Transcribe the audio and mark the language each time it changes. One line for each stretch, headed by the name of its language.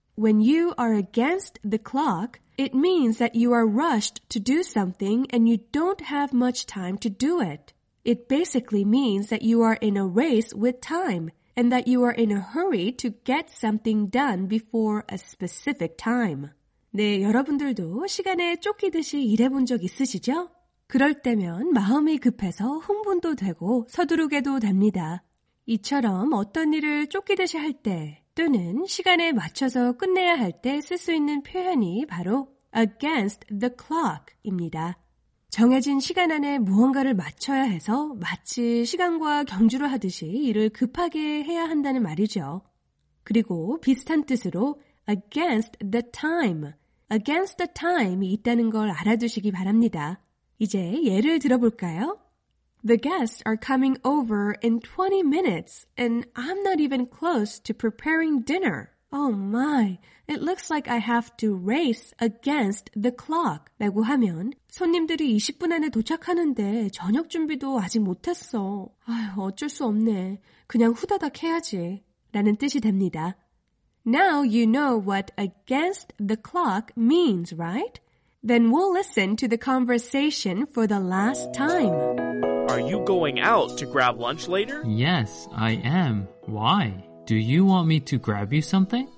English: When you are against the clock, it means that you are rushed to do something and you don't have much time to do it. It basically means that you are in a race with time. And that you are in a hurry to get something done before a specific time.
Korean: 네, 여러분들도 시간에 쫓기듯이 일해본 적 있으시죠? 그럴 때면 마음이 급해서 흥분도 되고 서두르게도 됩니다. 이처럼 어떤 일을 쫓기듯이 할 때 또는 시간에 맞춰서 끝내야 할 때 쓸 수 있는 표현이 바로 against the clock입니다. 정해진 시간 안에 무언가를 맞춰야 해서 마치 시간과 경주를 하듯이 일을 급하게 해야 한다는 말이죠. 그리고 비슷한 뜻으로 against the time, against the time이 있다는 걸 알아두시기 바랍니다. 이제 예를 들어볼까요?
English: The guests are coming over in 20 minutes and I'm not even close to preparing dinner. Oh my, it looks like I have to race against the clock.
Korean: 라고 하면 손님들이 20분 안에 도착하는데 저녁 준비도 아직 못했어. 아휴, 어쩔 수 없네. 그냥 후다닥 해야지. 라는 뜻이 됩니다.
English: Now you know what against the clock means, right? Then we'll listen to the conversation for the last time. Are you going out to grab lunch later? Yes, I am. Why? Do you want me to grab you something?